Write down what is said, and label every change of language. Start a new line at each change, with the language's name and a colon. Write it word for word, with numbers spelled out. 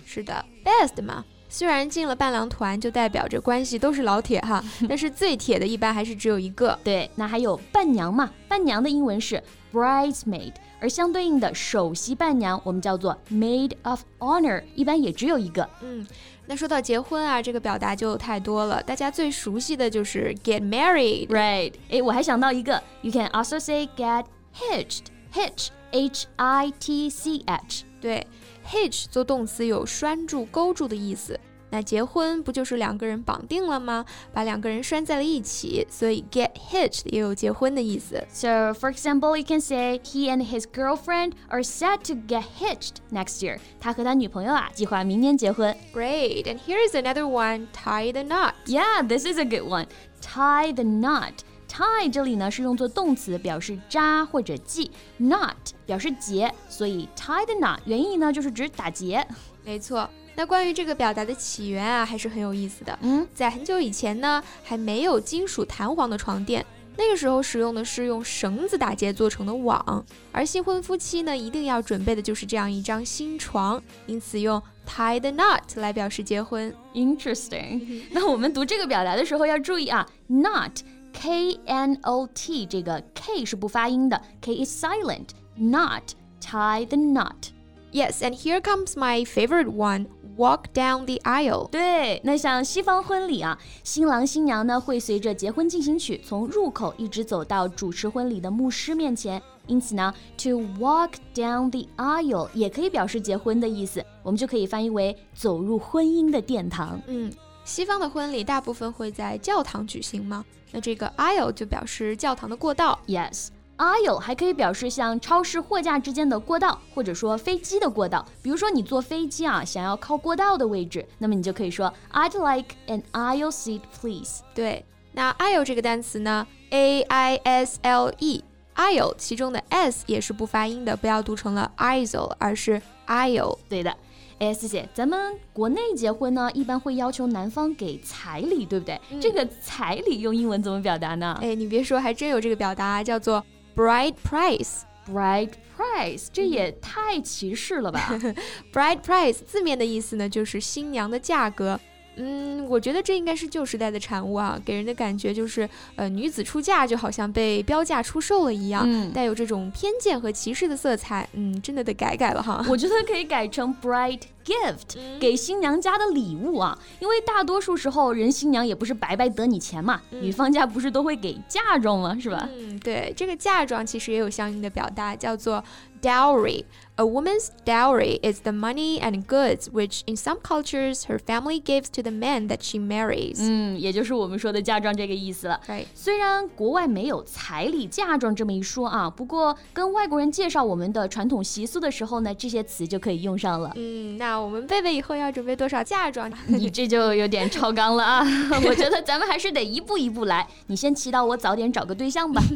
Chinese: 是的， best 嘛，虽然进了伴郎团就代表着关系都是老铁哈，但是最铁的一般还是只有一个。对，那还有伴娘嘛，伴娘的英文是 bridesmaid， 而相对应的首席伴娘我们叫做 maid of honor， 一般也只有一个。嗯，那说到结婚啊，这个表达就太多了，大家最熟悉的就是 get married。
English: Right，
Chinese: 诶，我还想到一个，
English: You can also say get hitched. Hitch, H I T C H。
Chinese: 对， hitch 做动词有拴住、勾住的意思，那结婚不就是两个人绑定了吗？把两个人拴在了一起，所以 get hitched 也有结婚的意思。
English: So for example, you can say he and his girlfriend are set to get hitched next year.
Chinese: 他和他女朋友啊，计划明年结婚。
English: Great, and here is another one, tie the knot. Yeah, this is a good one. Tie the knot.
Chinese: Tie 这里呢是用作动词，表示扎或者系， knot 表示结，所以 tie the knot 原意呢就是指打结。没错，那关于这个表达的起源啊，还是很有意思的。嗯，在很久以前呢，还没有金属弹簧的床垫，那个时候使用的是用绳子打结做成的网，而新婚夫妻呢，一定要准备的就是这样一张新床，因此用 tie the knot 来表示结婚。
English: Interesting。
Chinese: 那我们读这个表达的时候要注意啊 ，knot K N O T 这个 K 是不发音的 ，
English: K is silent。 Knot, tie the knot。 Yes, and here comes my favorite one. Walk down the aisle.
Chinese: 对，那像西方婚礼啊，新郎新娘呢会随着结婚进行曲从入口一直走到主持婚礼的牧师面前，因此呢 to walk down the aisle 也可以表示结婚的意思，我们就可以翻译为走入婚姻的殿堂。嗯，西方的婚礼大部分会在教堂举行嘛，那这个 aisle 就表示教堂的过道。
English: Yes.
Chinese: Aisle 还可以表示像超市货架之间的过道，或者说飞机的过道。比如说你坐飞机啊，想要靠过道的位置，那么你就可以说
English: I'd like an aisle seat, please.
Chinese: 对，那 aisle 这个单词呢 ，A I S L E。 aisle 其中的 s 也是不发音的，不要读成了 aisle， 而是 aisle。对的。哎，谢谢。咱们国内结婚呢，一般会要求男方给彩礼，对不对？嗯、这个彩礼用英文怎么表达呢？哎，你别说，还真有这个表达，叫做Bride price. Bride price, 这也太歧视了吧。 Bride price 字面的意思呢，就是新娘的价格。嗯，我觉得这应该是旧时代的产物啊，给人的感觉就是，呃，女子出嫁就好像被标价出售了一样，嗯带有这种偏见和歧视的色彩。嗯，真的得改改了哈。我觉得可以改成 bride gift，嗯给新娘家的礼物啊，因为大多数时候人新娘也不是白白得你钱嘛，嗯女方家不是都会给嫁妆吗？是吧？嗯，对，这个嫁妆其实也有相应的表达，叫做 dowry。
English: A woman's dowry is the money and goods which, in some cultures, her family gives to the man that she marries.
Chinese: 嗯，也就是我们说的嫁妆这个意思了。
English: Right.
Chinese: 虽然国外没有彩礼、嫁妆这么一说啊，不过跟外国人介绍我们的传统习俗的时候呢，这些词就可以用上了。嗯，那我们贝贝以后要准备多少嫁妆？你这就有点超纲了啊！我觉得咱们还是得一步一步来。你先祈祷我早点找个对象吧。